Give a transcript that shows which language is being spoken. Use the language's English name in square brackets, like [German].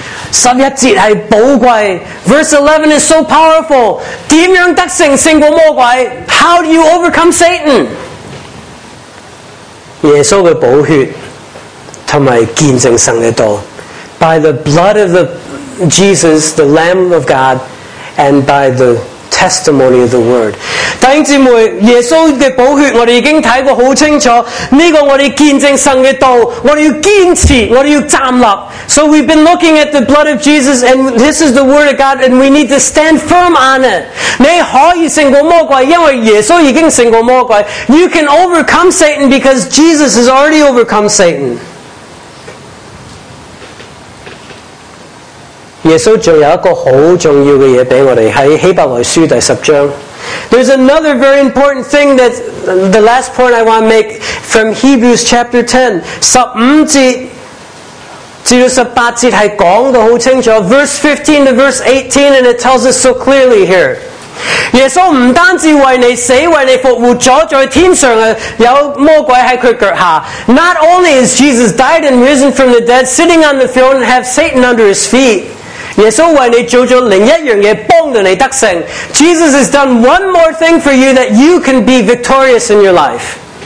[Chinese] 十一节是宝贵， [English] Verse 11 is so powerful. [Chinese] 怎样得胜胜过魔鬼？ [English] How do you overcome Satan? [Chinese] 耶稣的宝血和见证神的道。 [English] By the blood of the Jesus, the Lamb of God, and by the testimony of the Word. [Chinese] 弟兄姊妹，耶稣的宝血我们已经看过很清楚，这个我们见证神的道，我们要坚持，我们要站立。 [English] So we've been looking at the blood of Jesus, and this is the Word of God, and we need to stand firm on it. [Chinese] 你可以胜过魔鬼，因为耶稣已经胜过魔鬼。 [English] You can overcome Satan because Jesus has already overcome Satan. [Chinese] 耶稣还有一个很重要的东西给我们，在希伯来书第十章。 [English] There's another very important thing that the last point I want to make from Hebrews chapter 10. [Chinese] 十五节至到十八节是讲得很清楚， [English] Verse 15 to verse 18, and it tells us so clearly here. [Chinese] 耶稣不单止为你死为你复活，坐在天上有魔鬼在他脚下。 [English] Not only is Jesus died and risen from the dead, sitting on the throne and have Satan under his feet, [Chinese] 耶稣为你做了另一样东西帮得胜。 [English] Jesus has done one more thing for you that you can be victorious in your life.